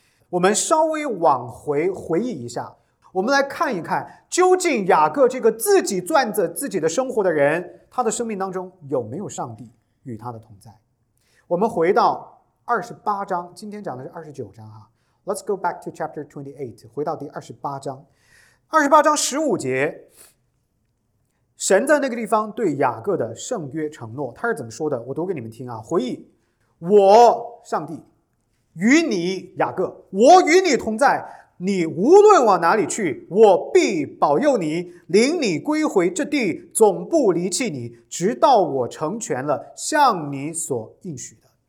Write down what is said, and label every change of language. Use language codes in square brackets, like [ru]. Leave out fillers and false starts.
[zh] 我们稍微往回回忆一下，我们来看一看，究竟雅各这个自己攥着自己的生活的人，他的生命当中有没有上帝与他的同在。我们回到28章，今天讲的是29章啊。 [en] Let's go back to chapter 28, [zh] 回到第28章。 28章15节，神在那个地方对雅各的圣约承诺，他是怎么说的？我读给你们听啊。回忆，我上帝与你雅各，我与你同在，你无论往哪里去，我必保佑你，领你归回这地，总不离弃你，直到我成全了向你所应许的。